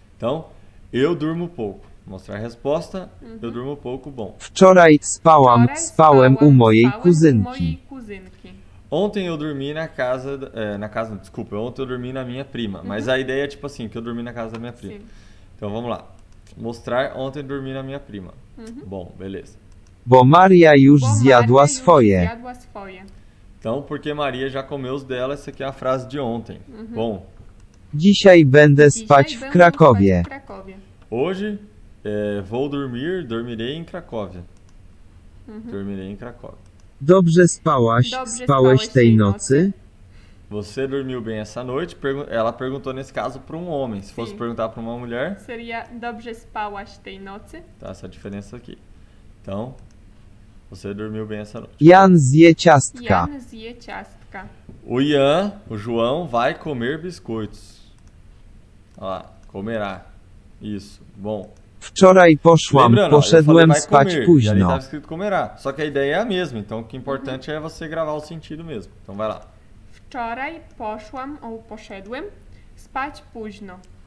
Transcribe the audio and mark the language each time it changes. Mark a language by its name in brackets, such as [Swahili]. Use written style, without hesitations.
[Portuguese] Então, eu durmo pouco. Mostrar a resposta. Uhum. Eu durmo pouco, bom. [Polish] Wczoraj spałam, u mojej kuzynki. [Portuguese] Ontem eu dormi na casa... Desculpa. Ontem eu dormi na minha prima. Uhum. Mas a ideia é tipo assim, que eu dormi na casa da minha prima. Sim. Então vamos lá. Mostrar ontem dormi na minha prima. Uhum. Bom, beleza. [Polish] Bo Maria już zjadła swoje. [Portuguese] Então, porque Maria já comeu os dela, essa aqui é a frase de ontem. Uhum. Bom. [Polish] Dzisiaj będę spać w Krakowie. [Portuguese] Hoje vou dormir, dormirei em Cracóvia. Uhum. Dormirei em Cracóvia. [Polish] Dobrze spałaś? Spałeś tej nocy? [Portuguese] Você dormiu bem essa noite? Ela perguntou nesse caso para um homem. Se Sim. fosse perguntar para uma mulher... [Polish] Seria... Dobrze spałaś tej nocy? [Portuguese] Tá, essa diferença aqui. Então, você dormiu bem essa noite. [Polish] Jan zje ciastka. Jan zje ciastka. [Portuguese] O Jan, o João, vai comer biscoitos. Olha lá, comerá. Isso, bom. [Polish] Wczoraj poszłam, poszedłem spać późno. [Portuguese] Ali estava escrito comerá. Só que a ideia é a mesma. Então, o que é importante uhum. é você gravar o sentido mesmo. Então, vai lá. [Polish] Wczoraj poszłam ou poszedłem spać późno.